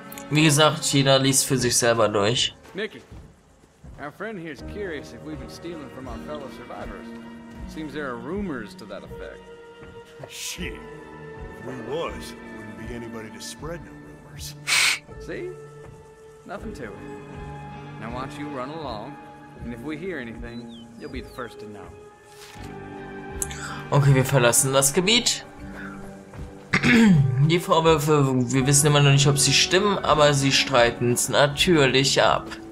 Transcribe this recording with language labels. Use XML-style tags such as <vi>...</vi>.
<de>Wie gesagt, jeder liest für sich selber durch.</de> <en>Nikki, our friend here is curious if we've been stealing from our fellow survivors. Seems there are rumors to that effect. Shit. If we was, wouldn't be anybody to spread no rumors. See? Nothing to it. Now watch you run along, and if we hear anything, you'll be the first to know.</en> <de>Okay, wir verlassen das Gebiet. Die Vorwürfe, wir wissen immer noch nicht, ob sie stimmen, aber sie streiten es natürlich ab.</de>